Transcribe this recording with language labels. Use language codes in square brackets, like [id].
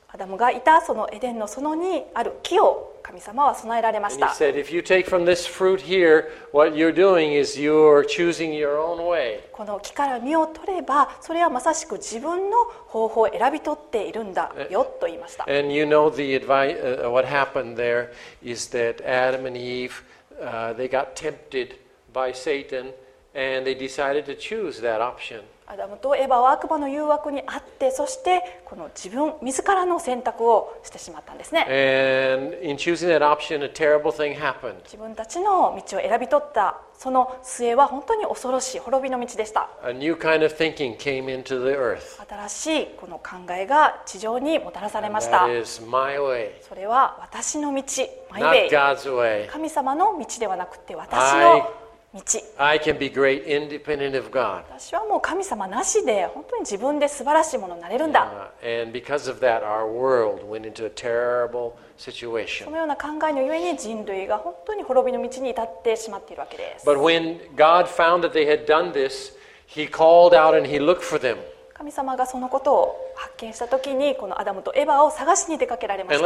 [ja] アダムがいたそのエデンの園にある木を神様は備えられました。 [en] He said, if you take from this fruit here, what you're doing is you're choosing your own way. [ja] この木から実を取れば、それはまさしく自分の方法を選び取っているんだよと言いました。 [en] And you know the advice, what happened there is that Adam and Eve, they got tempted by Satan and they decided to choose that option. [ja] アダムとエヴァは悪魔の誘惑にあって、そしてこの自分自らの選択をしてしまったんですね。 [en] And in choosing that option, a terrible thing happened. [ja] 自分たちの道を選び取ったその末は本当に恐ろしい滅びの道でした。 [en] A new kind of thinking came into the earth. [ja] 新しいこの考えが地上にもたらされました。 [en] And that is my way. [ja] それは私の道、 [en] my way. Not God's way. [ja] 神様の道ではなくて私の道。 [en] I can be great independent of God. [ja] 私はもう神様なしで本当に自分で素晴らしいものになれるんだ。 [en] Yeah. And because of that, our world went into a terrible situation. [ja] そのような考えのゆえに人類が本当に滅びの道に至ってしまっているわけです。 [en] But when God found that they had done this, he called out and he looked for them. [ja] 神様がそのことを発見したときに、このアダムとエヴァを探しに出かけられました。